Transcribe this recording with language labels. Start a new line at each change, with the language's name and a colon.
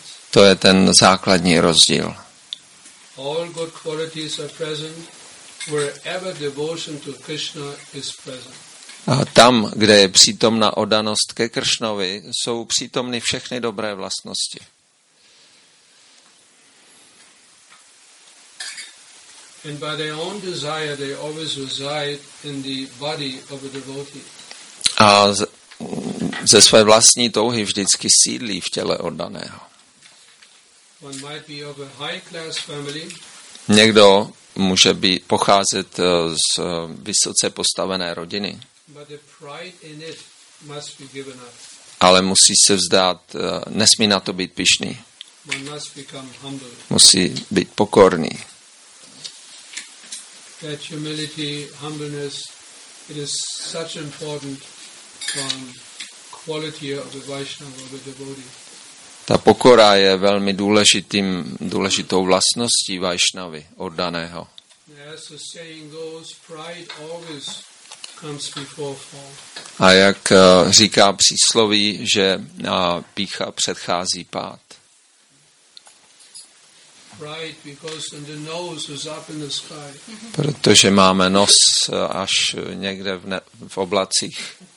Czech: To je ten základní rozdíl.
English: All good qualities are present wherever devotion to Krishna is present.
Czech: A tam, kde je přítomna oddanost ke Kršnovi, jsou přítomny všechny dobré vlastnosti.
English: And by their own desire they always reside in the body of a devotee.
Czech: A ze své vlastní touhy vždycky sídlí v těle oddaného.
English: One might be of a high class family.
Czech: Někdo může být pocházet z vysoce postavené rodiny.
English: But the pride in it must be given up.
Czech: Ale musí se vzdát, nesmí na to být pyšný.
English: One must become humble.
Czech: Musí být pokorný.
English: That humility, humbleness, it is such important quality of a Vaishnava, of a devotee.
Czech: Ta pokora je velmi důležitou vlastností Vaishnavy, oddaného.
English: As the saying goes, pride always comes before fall.
Czech: A jak říká přísloví, že pýcha předchází pád.
English: Right, because the nose is up in the sky.
Czech: Protože máme nos až někde v oblacích.